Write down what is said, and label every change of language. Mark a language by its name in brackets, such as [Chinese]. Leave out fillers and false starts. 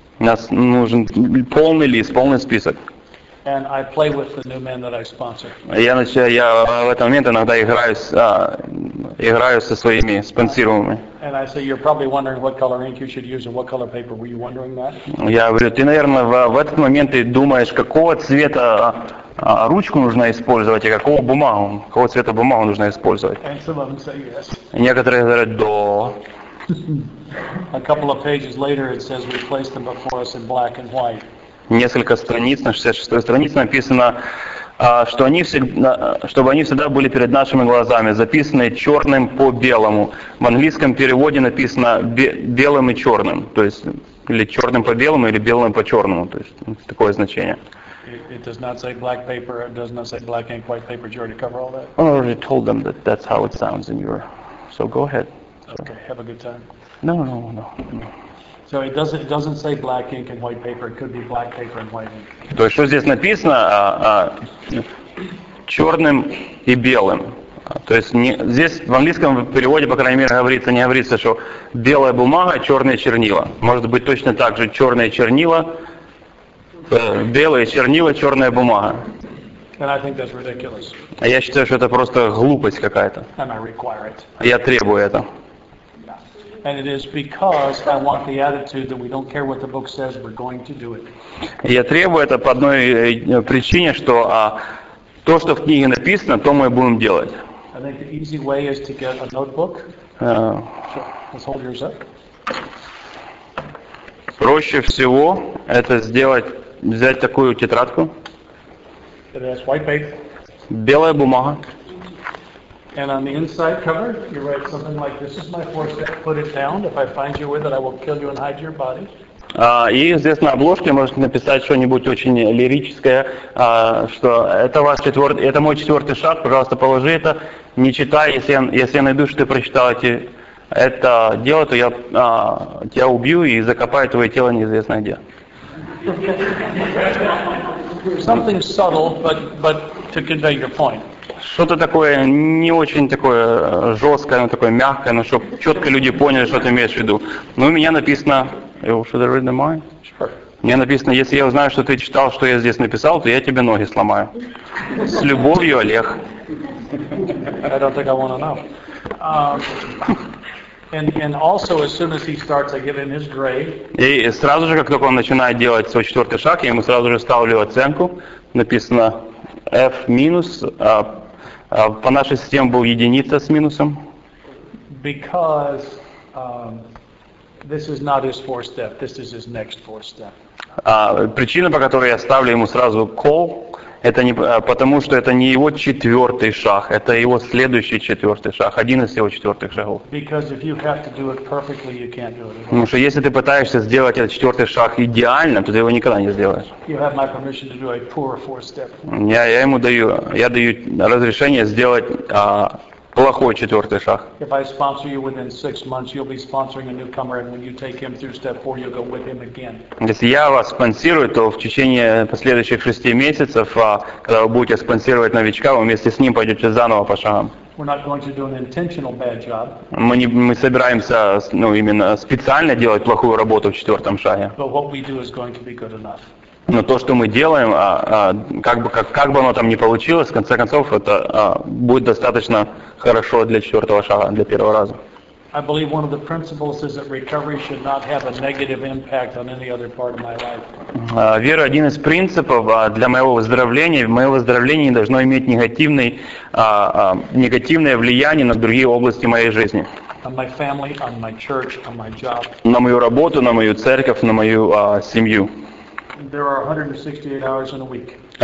[Russian] Нас нужен полный лист, полный список. Я в этот момент иногда играю со своими спонсируемыми. Я говорю, ты, наверное, в этот момент ты думаешь, какого цвета ручку нужно использовать и какого бумагу, какого цвета бумагу нужно использовать. [English] And some of them say yes. [Russian] Некоторые говорят да. [English] A couple of pages later it says we place them before us in black and white. [Russian] Несколько страниц, на 66-й странице написано, что они всегда, чтобы они всегда были перед нашими глазами, записанные черным по белому. В английском переводе написано белым и черным, то есть или черным по белому, или белым по черному, то есть такое значение. [English] It does not say black paper, it does not say black ink, white paper. Do you already cover all that? I already told them that that's how it sounds in your... So go ahead. Okay, have a good time. No. So it doesn't say black ink and white paper. It could be black paper and white ink. [Russian] То есть что здесь написано черным и белым. То есть не, здесь в английском переводе, по крайней мере, не говорится, что белая бумага, черные чернила. Может быть точно так же черные чернила, белые чернила, черная бумага. [English] And I think that's ridiculous. [Russian] А я считаю, что это просто глупость какая-то. [English] And I require it. [Russian] Я требую это. [English] And it is because I want the attitude that we don't care what the book says, we're going to do it. [Russian] Я требую это по одной причине, что то, что в книге написано, то мы и будем делать. [English] I think the easy way is to get a notebook. Let's hold yours up. [Russian] Проще всего это сделать, взять такую тетрадку. [English] It has white paper. [Russian] Белая бумага. [English] And on the inside cover, you write something like, "This is my fourth step. Put it down. If I find you with it, I will kill you and hide your body." [Russian] И здесь на обложке можете написать что-нибудь очень лирическое, что это ваш четвертый, это мой четвертый шаг. Пожалуйста, положи это. Не читай. Если я найду, что ты прочитал это дело, то я тебя убью и закопаю твое тело неизвестно где. [English] Something subtle, but to convey your point. [Russian] Что-то такое, не очень такое жесткое, но такое мягкое, но чтобы четко люди поняли, что ты имеешь в виду. Но у меня написано... [English] Should I read the mind? Sure. [Russian] У меня написано, если я узнаю, что ты читал, что я здесь написал, то я тебе ноги сломаю. С любовью, Олег. [English] I don't think I want to know. And also, as soon as he starts, I give him his grade. [Russian] И сразу же, как только он начинает делать свой четвертый шаг, я ему сразу же ставлю оценку. Написано... F минус, по нашей системе был единица с минусом. [English] Because this is not his fourth step, this is his next fourth step. [Russian] Причина, по которой я ставлю ему сразу call, это не потому, что это не его четвертый шаг, это его следующий четвертый шаг, один из его четвертых шагов. [English] Because if you have to do it perfectly, you can't do it anymore. [Russian] Потому что если ты пытаешься сделать этот четвертый шаг идеально, то ты его никогда не сделаешь. [English] You have my permission to do a poor fourth step. [Russian] Я даю разрешение сделать плохой четвертый шаг. [English] If I sponsor you within 6 months, you'll be sponsoring a newcomer, and when you take him through step four, you'll go with him again. [Russian] Если я вас спонсирую, то в течение последующих 6 месяцев, когда вы будете спонсировать новичка, вы вместе с ним пойдете заново по шагам. [English] We're not going to do an intentional bad job. [Russian] Мы собираемся, ну именно специально делать плохую работу в четвертом шаге. [English] But what we do is going to be good enough. [Russian] Но то, что мы делаем, как бы оно там ни получилось, в конце концов, это будет достаточно хорошо для четвертого шага, для первого раза. [English] I believe one of the principles is that recovery should not have a negative impact on any other part of my life. [Russian] Вера, один из принципов для моего выздоровления, мое выздоровление не должно иметь негативное влияние на другие области моей жизни. [English] On my family, on my church, on my job. [Russian] На мою работу, на мою церковь, на мою семью. [English] There are 168 hours in a week.